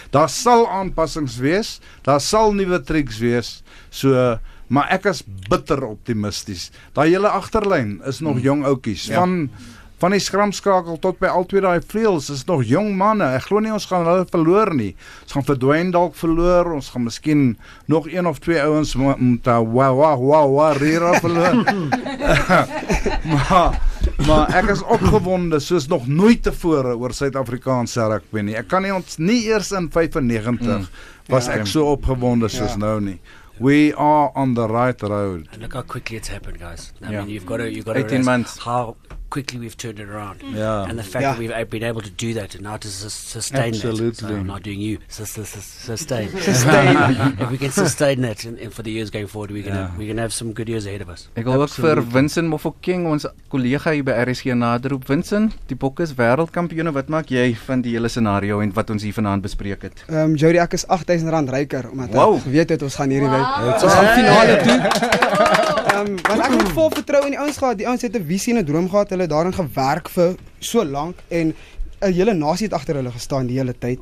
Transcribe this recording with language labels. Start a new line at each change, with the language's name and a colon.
Afrikaans: Daar sal aanpassings wees, daar sal nuwe tricks wees. So, maar ek is bitter optimisties. Daai hele agterlyn is nog jong oudjies van die skramskakel tot by al twee daai vleuels is nog jong manne. Ek glo nie ons gaan hulle verloor nie. Ons gaan verdwyn dalk verloor. Ons gaan miskien nog een of twee ouens met rira verloor. maar ek is opgewonde soos nog nooit tevore oor Suid-Afrikaanse rugby nie. Ek kan nie ons nie eers in 95 was ek so opgewonde soos nou nie.
English: We are on the right road. And look how quickly it's happened, guys. I mean, you've got 18 months. How quickly we've turned it around. Yeah. And the fact that we've been able to do that and now to sustain absolutely. That. So I'm not doing you. Sustain. Sustain. If we can sustain that and for the years going forward, we're gonna have some good years ahead of us.
Afrikaans: Ek wil ook vir Vincent Mofokeng, ons kollega hier by RSG, naderoep. Vincent, die Bokke is wêreldkampioene. Wat maak jy van die hele scenario en wat ons hier vanaand bespreek het? Jody, ek is R8,000 ryker omdat ek geweet het ons gaan hierdie finale toe. Want ek het vol vertrouwe in die ouens gehad. Die ouens het 'n visie en 'n droom gehad. Hulle het daarin gewerk vir so lank en 'n hele nasie het agter hulle gestaan die hele tyd.